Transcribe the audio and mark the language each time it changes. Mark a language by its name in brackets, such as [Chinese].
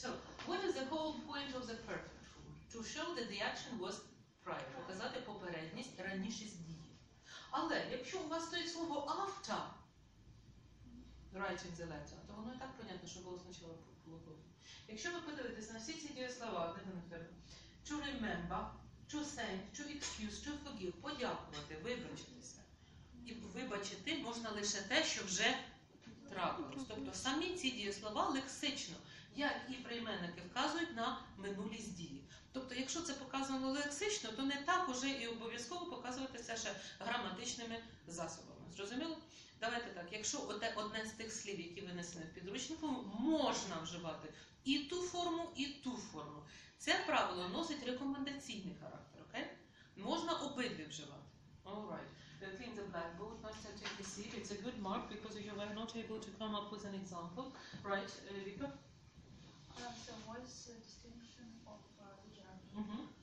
[English] So, what is the whole point of the perfect form? To show that the action was prior. [Ukrainian] Показати попередність, ранішість дії. Але, якщо у вас стоїть слово [English] after writing the letter, [Ukrainian] то воно і так понятно, що було спочатку полукові. Якщо ви подивитесь на всі ці дієслова, [English] to remember, to thank, to excuse, to forgive, [Ukrainian] подякувати, вибачитися. І вибачити можна лише те, що вже трапилось. Тобто самі ці дієслова лексично, як і прийменники, вказують на минулість дії. Тобто, якщо це показано лексично, то не так уже і обов'язково показуватися ще граматичними засобами. Зрозуміло? Давайте так, якщо одне з тих слів, які винесені в підручнику, можна вживати і ту форму, і ту форму. Це правило носить рекомендаційний характер, окей? Можна обидві вживати. [English] All right. Clean the blackboard, nice to take a seat. It's a good mark, because you were not able to come up with an example. Right, Vika? So what is the distinction of the gerund?